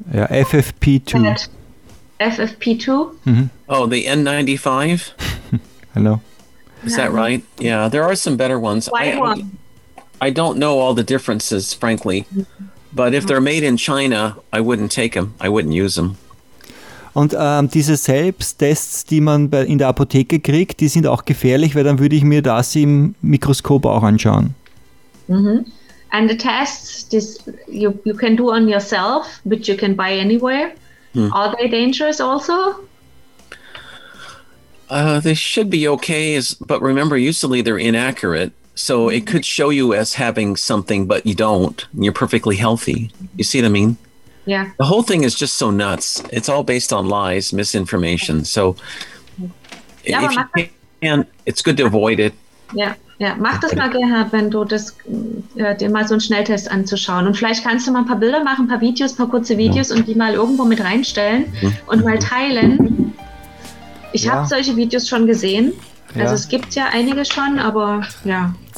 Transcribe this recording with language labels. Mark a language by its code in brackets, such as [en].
[en] Yeah, FFP2. FFP2. Mm-hmm. Oh, the N95. Hello. Is that right? Yeah, there are some better ones. I don't know all the differences, frankly, but if they're made in China, I wouldn't take them. I wouldn't use them. [de] Und diese Selbsttests, die man in der Apotheke kriegt, die sind auch gefährlich, weil dann würde ich mir das im Mikroskop auch anschauen. Mm-hmm. [en] And the tests, this you can do on yourself, which you can buy anywhere. Hmm. Are they dangerous also? They should be okay, but remember, usually they're inaccurate. So it could show you as having something, but you don't. You're perfectly healthy. You see what I mean? Yeah. The whole thing is just so nuts. It's all based on lies, misinformation. So if you can, it's good to avoid it. [de] Ja, mach das mal, Gerhard, wenn du das dir mal so einen Schnelltest anzuschauen. Und vielleicht kannst du mal ein paar Bilder machen, ein paar Videos, ein paar kurze Videos und die mal irgendwo mit reinstellen und mal teilen. Ich habe solche Videos schon gesehen. Also es gibt ja einige schon, aber ja.